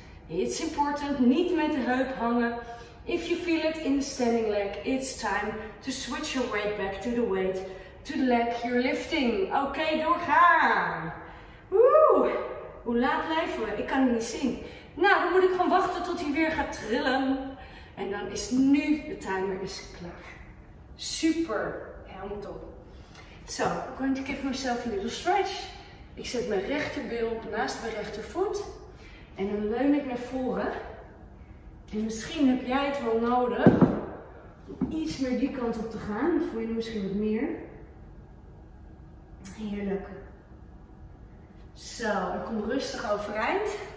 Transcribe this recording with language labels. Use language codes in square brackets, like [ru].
[en] It's important, [nl] niet met de heup hangen. [en] If you feel it in the standing leg, it's time to switch your weight back to the weight, to the leg you're lifting. [nl] Okay, doorgaan. Woe, hoe laat blijven we? Ik kan het niet zien. Nou, dan moet ik gewoon wachten tot hij weer gaat trillen. En dan is nu de timer is klaar. Super, helemaal top. [en] So, I'm going to give myself a little stretch. [nl] Ik zet mijn rechterbil naast mijn rechtervoet. En dan leun ik naar voren. En misschien heb jij het wel nodig om iets meer die kant op te gaan. Dan voel je misschien wat meer. Heerlijk. Zo, ik kom rustig overeind.